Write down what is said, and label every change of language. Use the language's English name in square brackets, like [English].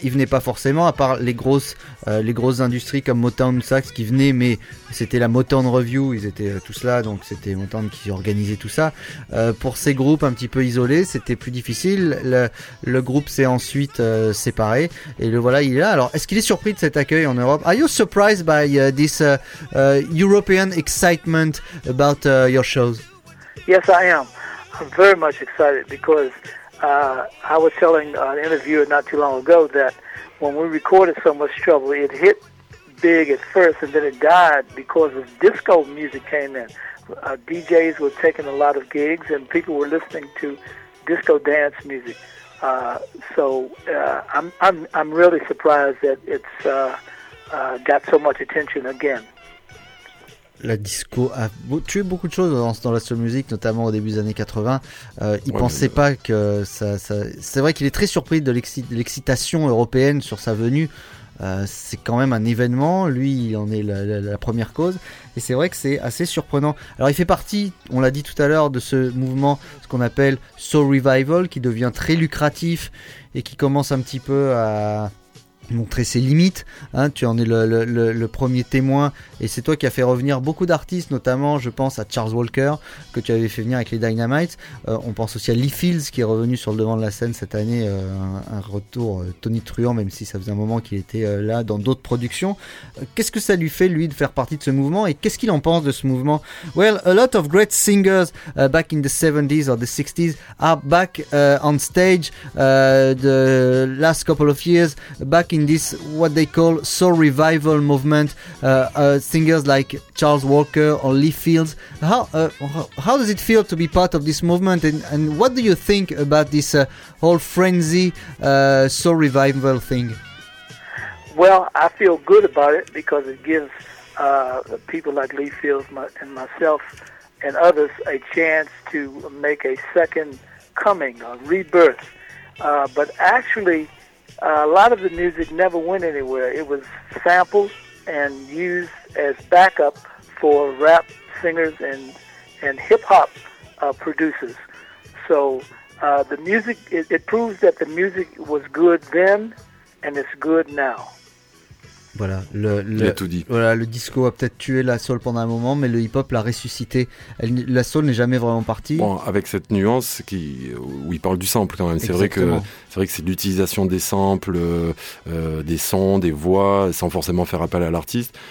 [French] Ils venaient pas forcément, à part les grosses industries comme Motown, Saks qui venaient, mais c'était la Motown Review. Ils étaient tous là, donc c'était Motown qui organisait tout ça. Pour ces groupes un petit peu isolés, c'était plus difficile. Le groupe s'est ensuite séparé. Et le voilà, il est là. Alors, est-ce qu'il est surpris de cet accueil en Europe? [English] Are you surprised by this European excitement about your shows? Yes, I am. I'm very much excited because I was telling an interviewer not too long ago that when we recorded So Much Trouble, it hit big at first and then it died because of disco music came in. DJs were taking a lot of gigs and people were listening to disco dance music. I'm really surprised that it's got so much attention again. [French] La disco a tué beaucoup de choses dans la soul music, notamment au début des années 80. Il pensait pas que ça. C'est vrai qu'il est très surpris de l'excitation européenne sur sa venue. C'est quand même un événement. Lui, il en est la première cause. Et c'est vrai que c'est assez surprenant. Alors, il fait partie, on l'a dit tout à l'heure, de ce mouvement, ce qu'on appelle soul revival, qui devient très lucratif et qui commence un petit peu à montrer ses limites, hein, tu en es le premier témoin, et c'est toi qui as fait revenir beaucoup d'artistes, notamment je pense à Charles Walker que tu avais fait venir avec les Dynamites. On pense aussi à Lee Fields qui est revenu sur le devant de la scène cette année, un retour tonitruant, même si ça faisait un moment qu'il était là dans d'autres productions. Qu'est-ce que ça lui fait, lui, de faire partie de ce mouvement, et qu'est-ce qu'il en pense de ce mouvement? [English] Well, a lot of great singers back in the 70s or the 60s are back on stage the last couple of years, back in this what they call soul revival movement, singers like Charles Walker or Lee Fields. How does it feel to be part of this movement, and what do you think about this whole frenzy soul revival thing? Well, I feel good about it because it gives people like Lee Fields and myself and others a chance to make a second coming, a rebirth. But actually, a lot of the music never went anywhere. It was sampled and used as backup for rap singers and hip-hop producers. So the music, it proves that the music was good then and it's good now. [French] Voilà, il a tout dit. Voilà, le disco a peut-être tué la soul pendant un moment, mais le hip-hop l'a ressuscité. La soul n'est jamais vraiment partie. Bon, avec cette nuance où il parle du sample quand même. C'est vrai que c'est l'utilisation des samples, des sons, des voix, sans forcément faire appel à l'artiste.